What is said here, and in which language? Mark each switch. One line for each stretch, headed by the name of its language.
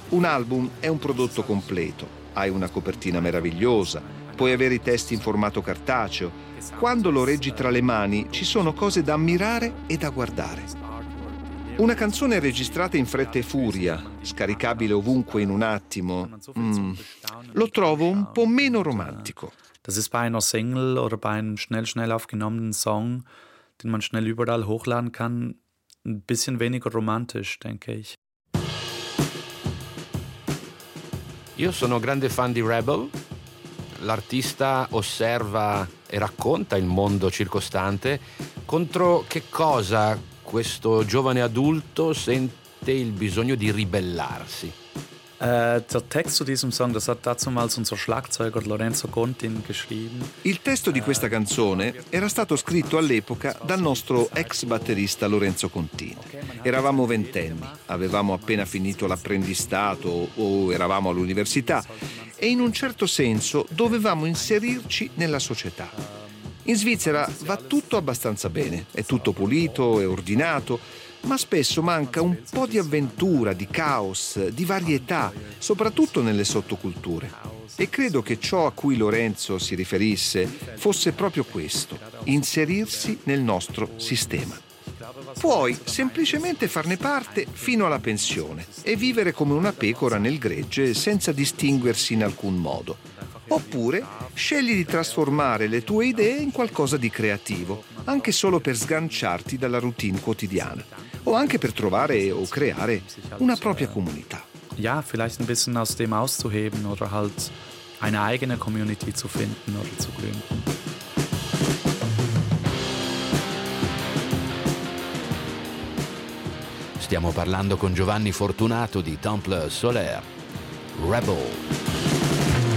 Italian: Un album è un prodotto completo. Hai una copertina meravigliosa, puoi avere i testi in formato cartaceo. Quando lo reggi tra le mani, ci sono cose da ammirare e da guardare. Una canzone registrata in fretta e furia, scaricabile ovunque in un attimo, lo trovo un po' meno romantico.
German: Das ist bei einer Single oder bei einem schnell schnell aufgenommenen Song, den man schnell überall hochladen kann, ein bisschen weniger romantisch, denke ich.
Italian: Io sono grande fan di Rebel. L'artista osserva e racconta il mondo circostante. Contro che cosa questo giovane adulto sente il bisogno di ribellarsi?
German: Der Text zu diesem Song, das hat damals unser Schlagzeuger Lorenzo Contin geschrieben.
Italian: Il testo di questa canzone era stato scritto all'epoca dal nostro ex batterista Lorenzo Contin. Eravamo ventenni, avevamo appena finito l'apprendistato o eravamo all'università e in un certo senso dovevamo inserirci nella società. In Svizzera va tutto abbastanza bene, è tutto pulito e ordinato, ma spesso manca un po' di avventura, di caos, di varietà, soprattutto nelle sottoculture. E credo che ciò a cui Lorenzo si riferisse fosse proprio questo, inserirsi nel nostro sistema. Puoi semplicemente farne parte fino alla pensione e vivere come una pecora nel gregge senza distinguersi in alcun modo. Oppure scegli di trasformare le tue idee in qualcosa di creativo, anche solo per sganciarti dalla routine quotidiana. O anche per trovare o creare una propria comunità.
German: Ja, vielleicht ein bisschen aus dem auszuheben oder halt eine eigene Community zu finden oder zu gründen.
Italian: Stiamo parlando con Giovanni Fortunato di Temple Solaire, Rebel.